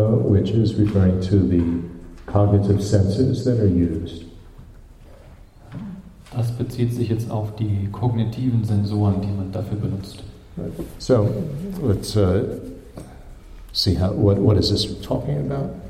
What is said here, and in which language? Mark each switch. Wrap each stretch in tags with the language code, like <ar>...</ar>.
<en>Which is referring to the cognitive senses that are used.</en> <de>Das bezieht sich jetzt auf die kognitiven Sensoren, die man dafür benutzt.</de> <en>So, let's see how, what is this talking about?</en>